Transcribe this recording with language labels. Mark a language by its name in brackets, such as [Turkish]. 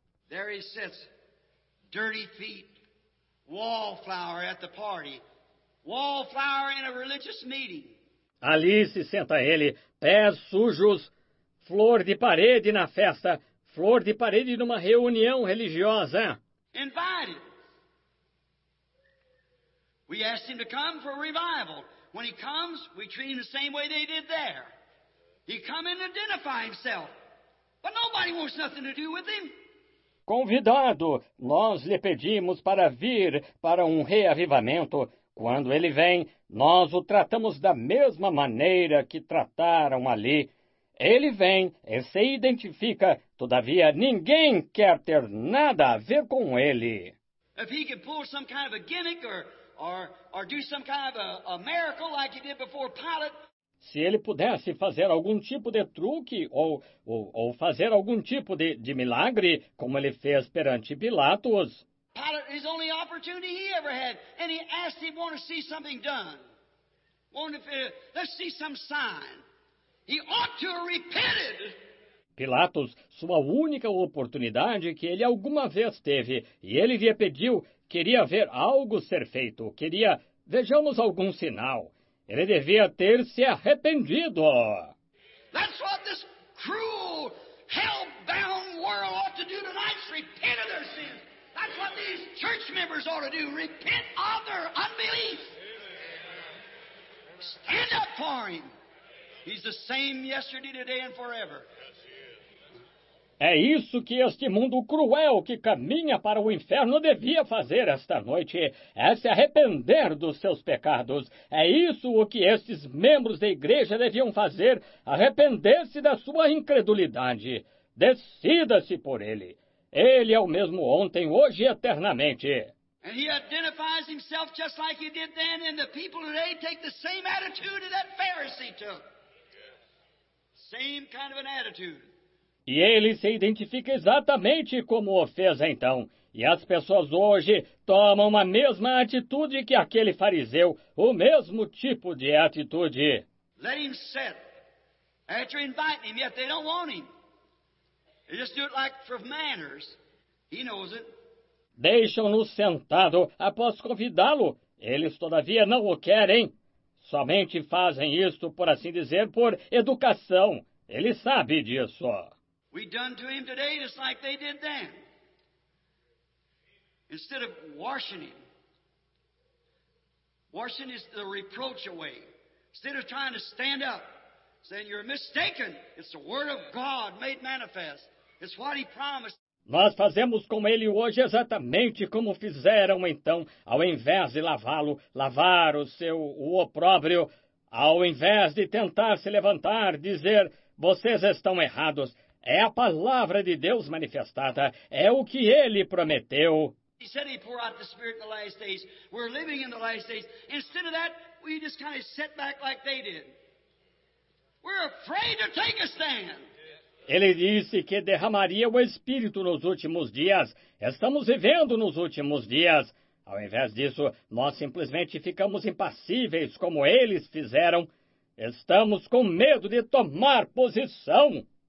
[English] There he sits, dirty feet, wallflower at the party, wallflower in a religious meeting. [Portuguese] Ali se senta ele, pés sujos, flor de parede na festa. Flor de parede numa reunião religiosa. [English] Invited. We asked him to come for a revival. When he comes, we treat him the same way they did there. He come and identify himself. But nobody wants nothing to do with him. [Portuguese] Convidado, nós lhe pedimos para vir para um reavivamento. Quando ele vem, nós o tratamos da mesma maneira que trataram ali. Ele vem e se identifica, todavia ninguém quer ter nada a ver com ele. [English] If he can pull some kind of a gimmick or do some kind of a miracle like he did before Pilate. [Portuguese] Se ele pudesse fazer algum tipo de truque ou fazer algum tipo de milagre, como ele fez perante Pilatos. [English] Pilate, his only opportunity he ever had, and he asked him, want to see something done. Want to let's see some sign. He ought to have repented. [Portuguese] Pilatos, sua única oportunidade que ele alguma vez teve, e ele lhe pediu, queria ver algo ser feito, queria, vejamos algum sinal. Ele devia ter se arrependido. [English] That's what this cruel, hell-bound world ought to do tonight, repent of their sins. That's what these church members ought to do, repent of their unbelief. Stand up for him. He's the same yesterday, today and forever. [Portuguese] É isso que este mundo cruel que caminha para o inferno devia fazer esta noite. É se arrepender dos seus pecados. É isso o que estes membros da igreja deviam fazer. Arrepender-se da sua incredulidade. Decida-se por ele. Ele é o mesmo ontem, hoje e eternamente. [English] And he identifies himself just like he did then, and the people today take the same attitude that Pharisee took. Same kind of an attitude. [Portuguese] E ele se identifica exatamente como o fez então. E as pessoas hoje tomam a mesma atitude que aquele fariseu, o mesmo tipo de atitude. [English] Let him sit. After inviting him, yet they don't want him. They just do it like for manners. He knows it. [Portuguese] Deixam-no sentado após convidá-lo. Eles todavia não o querem. Somente fazem isto, por assim dizer, por educação. Ele sabe disso. [English] We done to him today just like they did then. Instead of washing him, washing is the reproach away. Instead of trying to stand up, saying you're mistaken, it's the word of God made manifest. It's what he promised. [Portuguese] Nós fazemos com ele hoje exatamente como fizeram então, ao invés de lavá-lo, lavar o seu opróbrio, ao invés de tentar se levantar, dizer, vocês estão errados. É a palavra de Deus manifestada, é o que ele prometeu. [English] He said he poured out the Spirit in the last days. We're living in the last days. Instead of that, we just kind of sit back like they did. We're afraid to take a stand. [Portuguese] Ele disse que derramaria o Espírito nos últimos dias. Estamos vivendo nos últimos dias. Ao invés disso, nós simplesmente ficamos impassíveis, como eles fizeram. Estamos com medo de tomar posição.